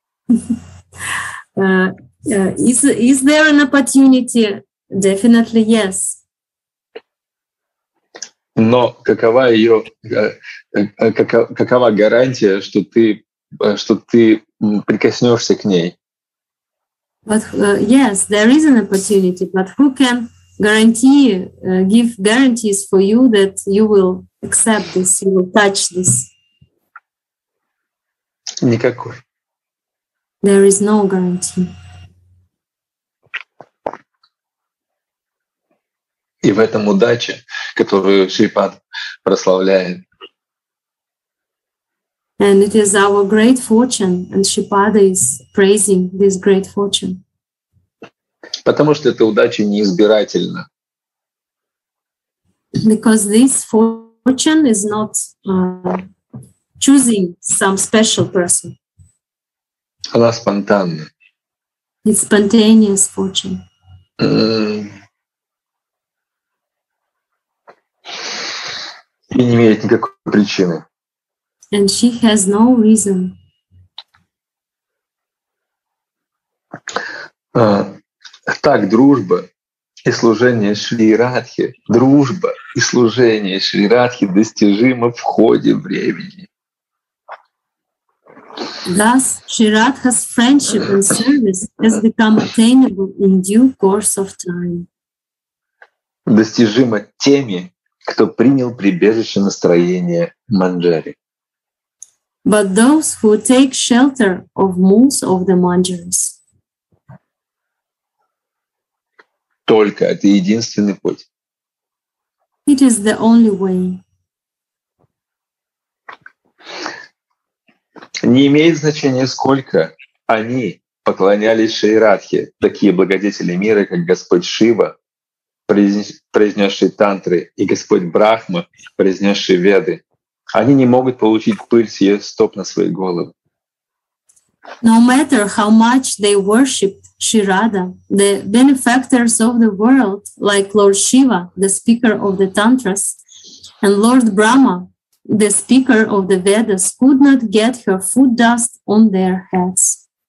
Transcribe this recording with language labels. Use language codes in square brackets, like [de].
[en] Is there an opportunity? Definitely yes. [ru] Но какова ее какова гарантия, что ты прикоснешься к ней? [en] But yes, there is an opportunity, but who can guarantee give guarantees for you that you will accept this, you will touch this? [ru] Никакой. [en] There is no guarantee. [ru] И в этом удача, которую Шрипад прославляет. [en] And it is our great fortune, and Шрипада is praising this great fortune. [ru] Потому что эта удача неизбирательна. [en] Because this fortune is not choosing some special person. [ru] Она спонтанна. [en] It's spontaneous fortune. [ru] И не имеет никакой причины. [en] And she has no reason. [ru] Так, дружба и служение Шри Радхе. Дружба и служение Шри Радхе достижимо в ходе времени. [en] Thus, Shri Radha's friendship and service has become attainable in due course of time. [ru] Достижимо теми, кто принял прибежище настроения Манджари. [en] But those who take shelter of moons of the Manjaris. [ru] только, это единственный путь. [en] It is the only way. [ru] Не имеет значения, сколько они поклонялись Шри Радхе, такие благодетели мира, как Господь Шива, произнесший тантры, и Господь Брахма, произнесший веды. Они не могут получить пыль с ее стоп на свои головы. [en] No matter how much they worshipped Shri Radha, the benefactors of the world, like Lord Shiva, the speaker of the tantras, and Lord Brahma, the speaker of the Vedas, could not get her foot dust on their heads.